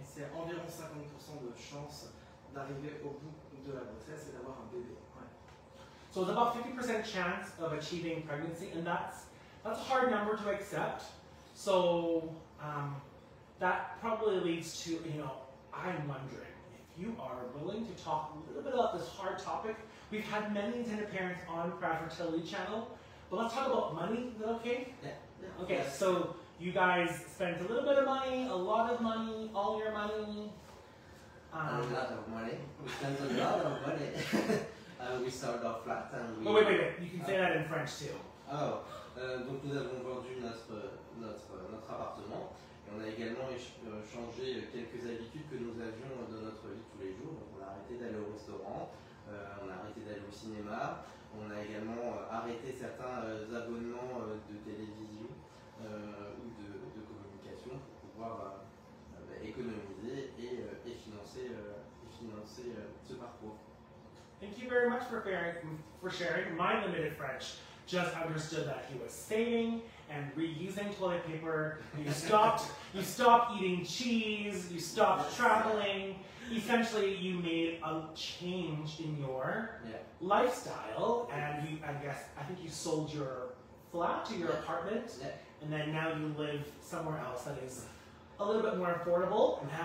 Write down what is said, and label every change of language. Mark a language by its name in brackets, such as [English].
[French] C'est environ 50% de chance d'arriver au bout de la grossesse et d'avoir un bébé. Ouais. [English] So it's about 50% chance of achieving pregnancy, and that's a hard number to accept. So that probably leads to, you know, I'm wondering if you are willing to talk a little bit about this hard topic. We've had many intended parents on Proud Fertility Channel, but let's talk about money, is that okay? Yeah. Okay, so you guys spent a little bit of money, a lot of money, all your money. We spent a lot of money. We sold our flat and we... Oh, wait, you can say that in French too. [French] Oh, donc nous avons vendu notre appartement et on a également changé quelques habitudes que nous avions dans notre vie tous les jours. Donc on a arrêté d'aller au restaurant, on a arrêté d'aller au cinéma, on a également arrêté certains abonnements de télévision ou de communication pour pouvoir économiser et financer ce parcours. [English] Thank you very much for sharing. My limited French just understood that he was saving and reusing toilet paper. You stopped eating cheese. You stopped traveling. Essentially, you made a change in your lifestyle, and I think you sold your flat to your apartment, and then now you live somewhere else that is a little bit more affordable.